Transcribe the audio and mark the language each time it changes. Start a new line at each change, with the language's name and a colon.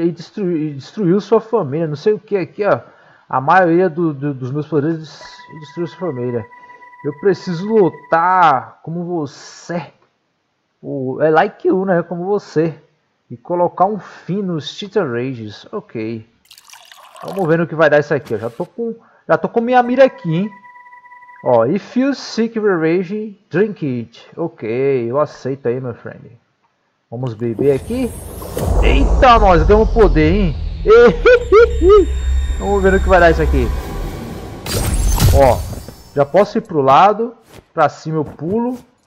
Portuguese: Ele destruiu sua família. Não sei o que aqui, ó. A maioria dos meus poderes destruiu sua família. Eu preciso lutar como você. É like you, né? Como você. E colocar um fim nos Cheetah Rages. Ok. Vamos ver no que vai dar isso aqui. Eu já tô com minha mira aqui, hein?
English: Ó, if you seek revenge, drink it.
Portuguese: Ok, eu aceito aí, meu friend. Vamos beber aqui. Eita, nós ganhamos poder, hein? Vamos ver o que vai dar isso aqui. Ó, já posso ir pro lado. Pra cima eu pulo.